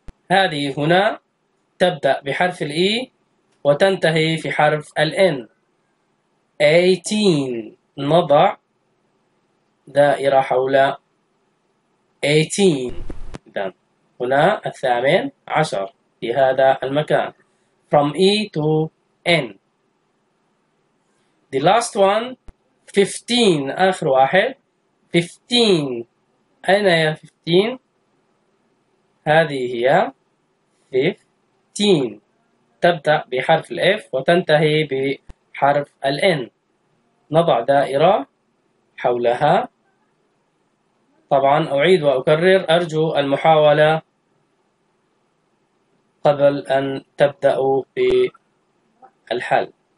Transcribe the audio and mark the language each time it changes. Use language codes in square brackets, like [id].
[ar] هذه هنا تبدأ بحرف الإي وتنتهي في حرف الإن. 18 نضع دائرة حول 18. إذن هنا الثامن عشر في هذا المكان. [en] From E to N. The last one 15 [ar] آخر واحد. 15 أين يا 15؟ هذه هي 15 تبدأ بحرف الإف وتنتهي بحرف الإن. نضع دائرة حولها. طبعا أعيد وأكرر، أرجو المحاولة قبل أن تبدأوا بالحل.